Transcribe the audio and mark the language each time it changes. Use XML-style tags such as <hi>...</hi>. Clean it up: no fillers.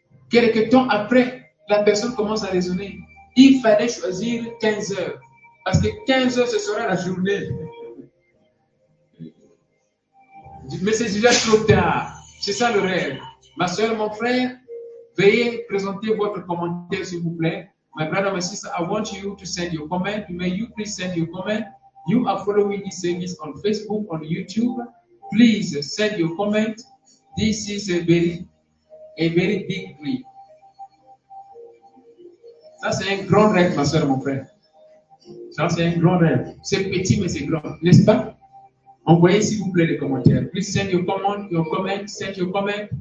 <fr>Quelque temps après, la personne commence à raisonner. Il fallait choisir 15 heures. Parce que 15 heures, ce sera la journée. Mais c'est déjà trop tard. C'est ça le rêve. Ma soeur, mon frère, veuillez présenter votre commentaire, s'il vous plaît.</fr> <en>My brother, my sister, I want you to send your comment. May you please send your comment. You are following this service on Facebook, on YouTube. Please send your comment. This is a very big dream.</en> <fr>Ça, c'est un grand rêve, ma soeur, mon frère. Ça, c'est un grand rêve. C'est petit, mais c'est grand, n'est-ce pas? Envoyez, s'il vous plaît, les commentaires.</fr> <en>Please send your comment, your comment, send your comment.</en>